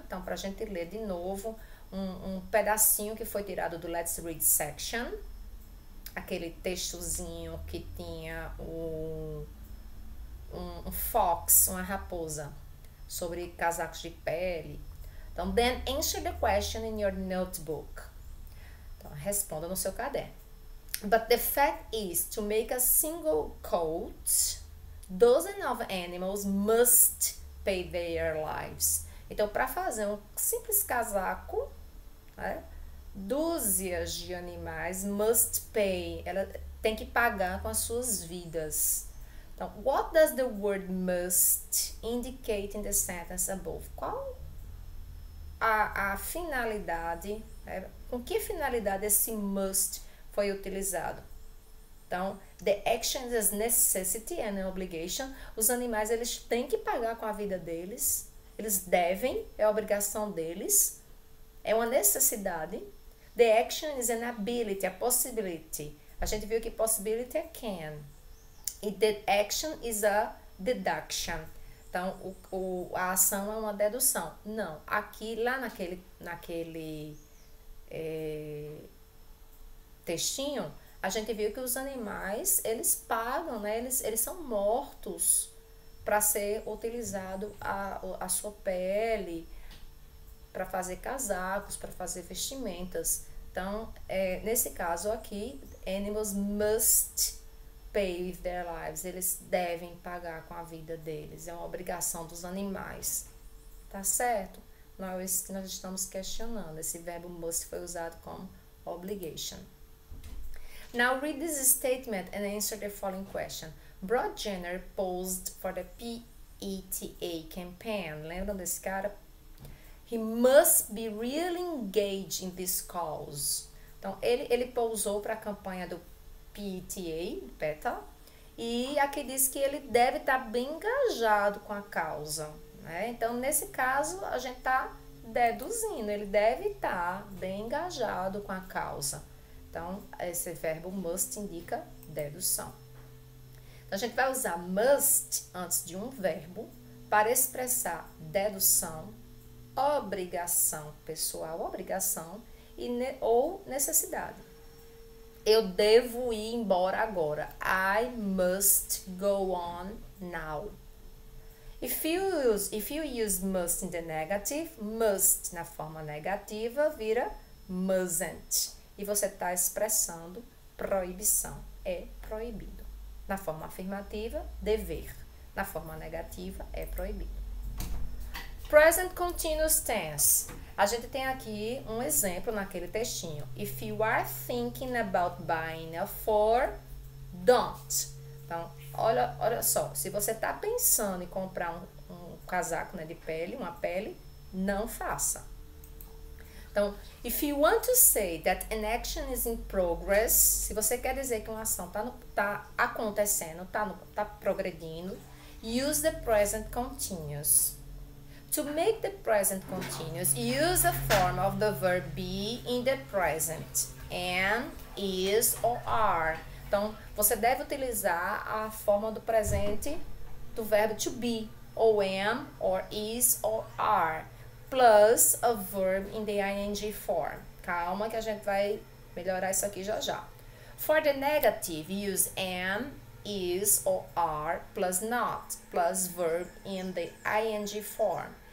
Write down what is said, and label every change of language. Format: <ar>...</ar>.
<pt>Então, para a gente ler de novo um pedacinho que foi tirado do</pt> <en>Let's Read section.</en> <pt>aquele textozinho que tinha um fox, uma raposa, sobre casacos de pele. Então,</pt> <en>then answer the question in your notebook.</en> <pt>Então, responda no seu caderno.</pt> <en>But the fact is, to make a single coat, dozens of animals must pay their lives.</en> <pt>Então, para fazer um simples casaco, né, dúzias de animais</pt> <en>must pay.</en> <pt>Ela tem que pagar com as suas vidas. Então,</pt> <en>what does the word must indicate in the sentence above?</en> <pt>Qual a finalidade, né, com que finalidade esse must foi utilizado? Então,</pt> <en>the action is necessity and obligation.</en> <pt>Os animais, eles têm que pagar com a vida deles. Eles devem, é a obrigação deles. É uma necessidade.</pt> <en>The action is an ability, a possibility.</en> <pt>A gente viu que possibility é can. E</pt> <en>the action is a deduction.</en> <pt>Então, a ação é uma dedução. Não, aqui, lá naquele textinho, a gente viu que os animais, eles pagam, né? Eles são mortos para ser utilizado a sua pele, para fazer casacos, para fazer vestimentas. Então, nesse caso aqui,</pt> <en>animals must pay with their lives.</en> <pt>Eles devem pagar com a vida deles. É uma obrigação dos animais. Tá certo? Nós estamos questionando. Esse verbo must foi usado como obligation.</pt> <en>Now read this statement and answer the following question. Bruce Jenner posed for the PETA campaign.</en> <pt>Lembram desse cara?</pt> <en>He must be really engaged in this cause.</en> <pt>Então, ele posou para a campanha do PETA, e aqui diz que ele deve estar bem engajado com a causa, né? Então, nesse caso, a gente está deduzindo, ele deve estar bem engajado com a causa. Então, esse verbo must indica dedução. Então, a gente vai usar must antes de um verbo para expressar dedução, obrigação pessoal, obrigação e ne ou necessidade. Eu devo ir embora agora.</pt> <en>I must go on now. If you use must in the negative, must</en> <pt>na forma negativa vira</pt> <en>mustn't.</en> <pt>E você está expressando proibição. É proibido. Na forma afirmativa, dever. Na forma negativa, é proibido.</pt> <en>Present continuous tense.</en> <pt>A gente tem aqui um exemplo naquele textinho.</pt> <en>If you are thinking about buying a Ford, don't.</en> <pt>Então, olha só. Se você está pensando em comprar um casaco, né, de pele, uma pele, não faça. Então,</pt> <en>if you want to say that an action is in progress,</en> <pt>se você quer dizer que uma ação tá acontecendo, tá progredindo,</pt> <en>use the present continuous. To make the present continuous, use a form of the verb be in the present, am, is or are.</en> <pt>Então, você deve utilizar a forma do presente do verbo to be, ou am,</pt> <en>or is or are. Plus a verb in the ing form.</en> <pt>Calma que a gente vai melhorar isso aqui já já.</pt> <en>For the negative, use am, is ou are plus not plus verb in the ing form.</en>